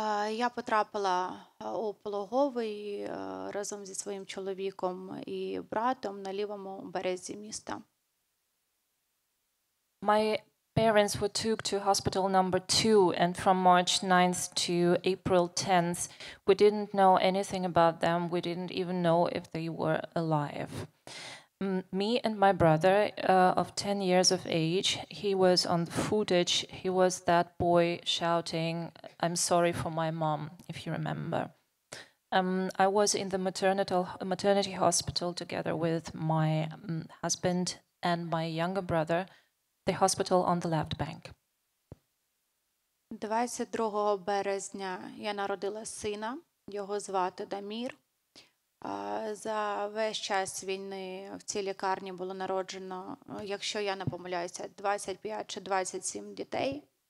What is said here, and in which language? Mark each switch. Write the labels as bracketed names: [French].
[Ukrainian] Я потрапила у пологовий разом зі своїм чоловіком і братом на лівому березі міста. [English] My parents were took to hospital number 2, and from March 9th to April 10th, we didn't know anything about them. We didn't even know if they were alive. Me and my brother of 10 years of age, he was on the footage. He was that boy shouting, "I'm sorry for my mom," if you remember. I was in the maternity hospital together with my husband and my younger brother, the hospital on the left bank. [Ukrainian] 22 березня я народила сина, його звати Дамір. За весь час війни в цій лікарні було народжено, якщо я не помиляюся, 25 чи 27 дітей.